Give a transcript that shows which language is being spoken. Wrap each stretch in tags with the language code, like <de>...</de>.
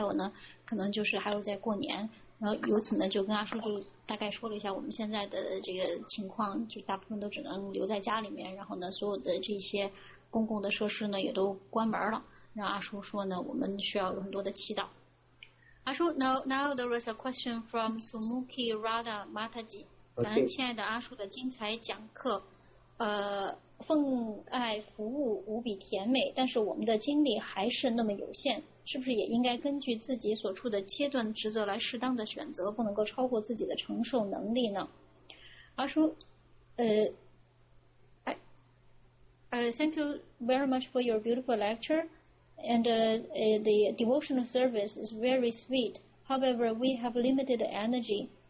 <zh>还有呢，可能就是还有在过年。然后由此呢，就跟阿叔就大概说了一下我们现在的这个情况，就大部分都只能留在家里面。然后呢，所有的这些公共的设施呢也都关门了。然后阿叔说呢，我们需要有很多的祈祷。</zh> <en>阿叔 ，now there was a question from Sumuki Radha Mataji。</en> <zh>感恩亲爱的阿叔的精彩讲课，奉爱服务无比甜美，但是我们的精力还是那么有限，是不是也应该根据自己所处的阶段职责来适当的选择，不能够超过自己的承受能力呢？</zh> <en>阿叔，thank you very much for your beautiful lecture. And the devotional service is very sweet. However, we have limited energy.</en>